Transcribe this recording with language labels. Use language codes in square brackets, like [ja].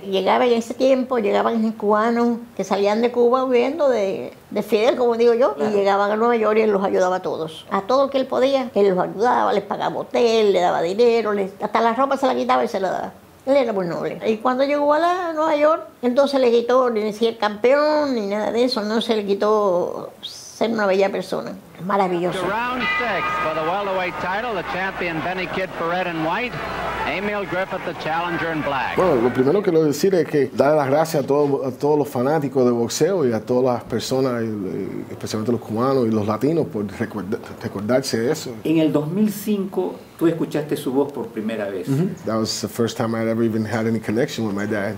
[es] Llegaba en ese tiempo, llegaban cubanos que salían de Cuba huyendo de Fidel, como digo yo, claro. Y llegaban a Nueva York y él los ayudaba a todos. A todo el que él podía, él los ayudaba, les pagaba hotel, le daba dinero, hasta la ropa se la quitaba y se la daba. Él era muy noble. Y cuando llegó a Nueva York, entonces le quitó ni decir campeón ni nada de eso, no se le quitó ser una bella persona. Maravilloso. [en] Round 6 for the welterweight title, the champion Benny Kid Paret in white, Emil Griffith the challenger in black. [es] Bueno, lo primero que quiero decir es que dar las gracias a todos los fanáticos de boxeo y a todas las personas, especialmente los cubanos y los latinos, por recordarse de eso. En el 2005 tú escuchaste su voz por primera vez. Mm-hmm. [en] That was the first time I'd ever even had any connection with my dad.